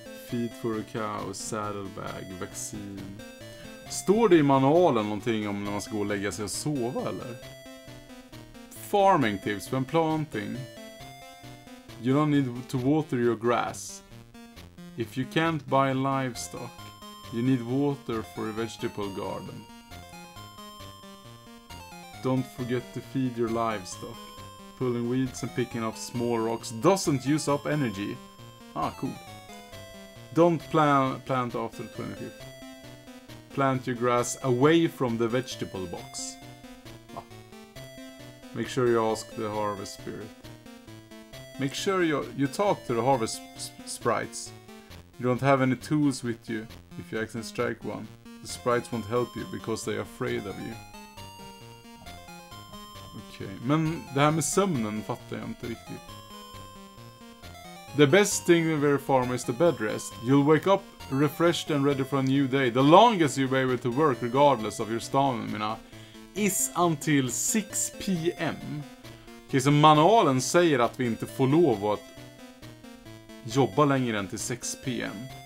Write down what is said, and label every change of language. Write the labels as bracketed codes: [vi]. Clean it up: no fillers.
[en] Feed for a cow, saddlebag, vaccin. [sv] Står det i manualen någonting om när man ska gå och lägga sig och sova, eller? [en] Farming tips, when planting. You don't need to water your grass. If you can't buy livestock, you need water for a vegetable garden. Don't forget to feed your livestock. Pulling weeds and picking up small rocks doesn't use up energy. Ah, cool. Don't plant after the 25th. Plant your grass away from the vegetable box. Ah. Make sure you ask the harvest spirit. Make sure you talk to the harvest sprites. You don't have any tools with you. If you accidentally strike one, the sprites won't help you because they are afraid of you. [sv] Okej, okay. Men det här med sömnen fattar jag inte riktigt. [en] The best thing with your farm is the bed rest. You'll wake up refreshed and ready for a new day. The longest you'll be able to work, regardless of your stamina, is until 6 p.m. [sv] Okej, okay, så manualen säger att vi inte får lov att jobba längre än till 6 p.m.